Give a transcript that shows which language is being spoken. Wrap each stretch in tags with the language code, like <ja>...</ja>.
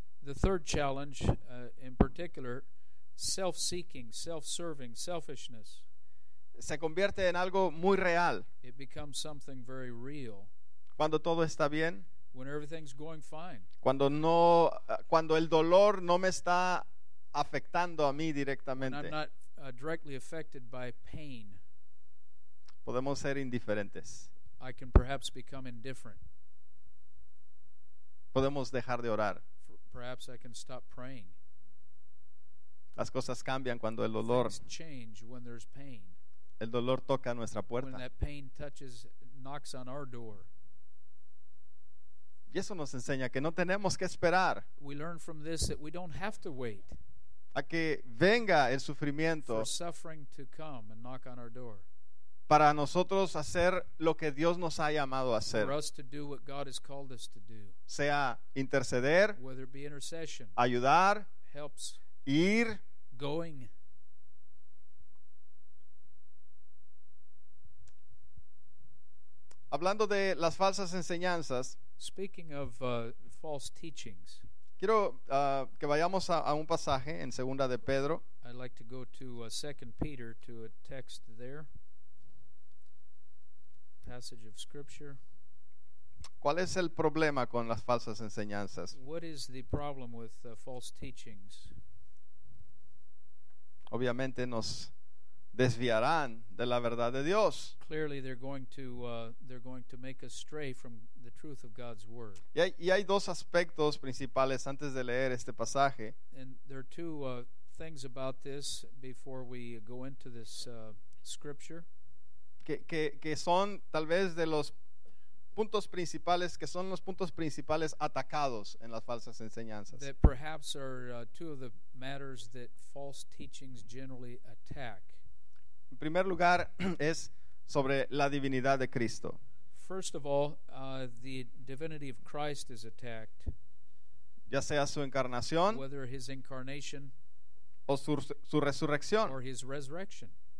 <en>The third challenge, in particular, self-seeking, self-serving, selfishness.</en> <es>Se convierte en algo muy real.</es> <en>It becomes something very real.</en> <es>Cuando todo está bien.</es> <en>When everything's going fine.</en> <es>Cuando el dolor no me está afectando a mí directamente.</es> <en>When I'm not directly affected by pain.</en> <es>Podemos ser indiferentes.</es> <en>I can perhaps become indifferent.</en> <es>Podemos dejar de orar.</es> <en>Perhaps I can stop praying.</en> <es>Las cosas cambian cuando el dolor.</es> <en>Things change when there's pain.</en> <es>El dolor toca nuestra puerta.</es> <en>When that pain touches, knocks on our door.</en> <es>Y eso nos enseña que no tenemos que esperar.</es> <en>We learn from this that we don't have to wait.</en> <es>A que venga el sufrimiento.</es> <en>For suffering to come and knock on our door.</en> <es>Para nosotros hacer lo que Dios nos ha llamado a hacer.</es> <en>For us to do what God has called us to do.</en> <es>Sea interceder.</es> <en>Whether it be intercession.</en> <es>Ayudar.</es> <en>Helps.</en> <es>Ir.</es> <en>Going.</en> <es>Hablando de las falsas enseñanzas.</es> <en>Speaking of false teachings.</en> <es>Quiero que vayamos a un pasaje en Segunda de Pedro.</es> <en>I'd like to go to 2 Peter to a text there. Passage of scripture.</en> <es>¿Cuál es el problema con las falsas enseñanzas?</es> <en>What is the problem with false teachings?</en> <es>Obviamente nos desviarán de la verdad de Dios.</es> <en>Clearly they're going to make us stray from the truth of God's word.</en> <es>Y hay dos aspectos principales antes de leer este pasaje.</es> <en>And there are two things about this before we go into this scripture.</en> <es>Que son tal vez de los puntos principales, que son los puntos principales atacados en las falsas enseñanzas.</es> <en>That perhaps are two of the matters that false teachings generally attack.</en> <es>En primer lugar, es sobre la divinidad de Cristo.</es> <en>First of all, the divinity of Christ is attacked.</en> <es>Ya sea su encarnación,</es> <en>whether his incarnation,</en> <es>o su resurrección,</es> <en>or his resurrection.</en>